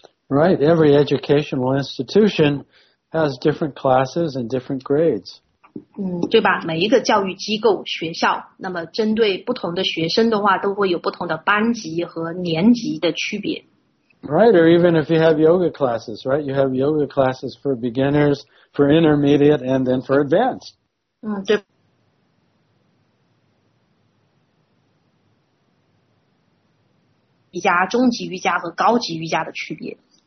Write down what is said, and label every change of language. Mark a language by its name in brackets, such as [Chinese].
[English] Right, every educational institution has different classes and different grades. [Chinese] 对吧？每一个教育机构、学校， 那么针对不同的学生的话， 都会有不同的班级和年级的区别。 [English] Right, or even if you have yoga classes, right? You have yoga classes for beginners, for intermediate, and then for advanced. [Chinese] 对。瑜伽、中级瑜伽和高级瑜伽的区别。